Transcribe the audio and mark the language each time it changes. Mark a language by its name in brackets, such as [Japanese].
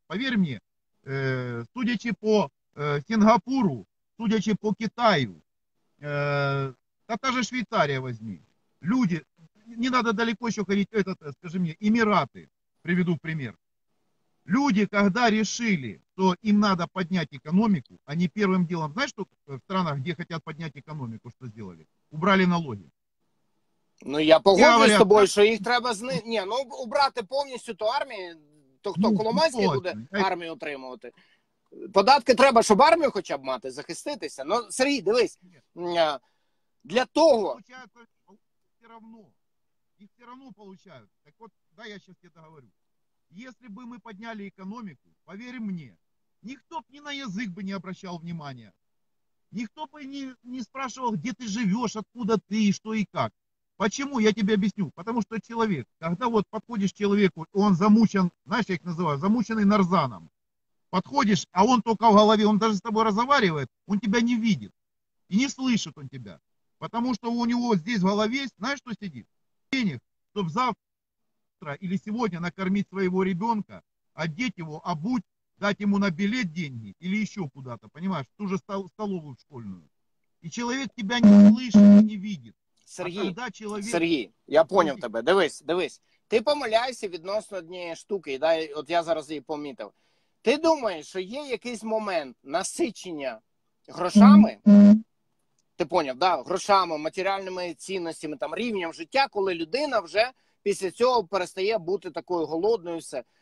[Russian] Поверь мне, [Ukrainian] судячи по Сингапуру, судячи по Китаю, [Russian] та же Швейцария возьми. Люди, не надо далеко еще ходить, скажи мне, Эмираты, приведу пример. Люди, когда решили, что им надо поднять экономику, они первым делом, знаешь, что в странах, где хотят поднять экономику, что сделали? Убрали налоги. [Ukrainian] Ну, я погоджуюсь з тобою, що їх треба знищити. Ні, ну, убрати повністю ту армію, то хто, Коломойський буде армію отримувати? Податки треба, щоб армію хоча б мати, захиститися. Ну, Сергій, дивись, для того... [Russian] Все равно, їх все равно получають. [Ukrainian] Так от, да, я зараз тебе говорю. Якщо б ми підняли економіку, повірь мені, ніхто б ні на язик би не обращав внимання. Ніхто б не спрашивав, де ти живеш, откуда ти, і що, і як. [Russian] Почему? Я тебе объясню. Потому что человек, когда вот подходишь к человеку, он замучен, знаешь, я их называю, замученный нарзаном. Подходишь, а он только в голове, он даже с тобой разговаривает, он тебя не видит. И не слышит он тебя. Потому что у него здесь в голове, знаешь, что сидит? Денег, чтобы завтра или сегодня накормить своего ребенка, одеть его, обуть, дать ему на билет деньги или еще куда-то, понимаешь, в ту же столовую школьную. И человек тебя не слышит и не видит. Сергій, а человек... [Ukrainian] Сергій, я зрозумів тебе, дивись, дивись. Ти помиляєшся відносно однієї штуки, да? От я зараз її помітив. Ти думаєш, що є якийсь момент насичення грошами, ти поняв, да? Грошами, матеріальними цінностями, там, рівнем життя, коли людина вже після цього перестає бути такою голодною, все.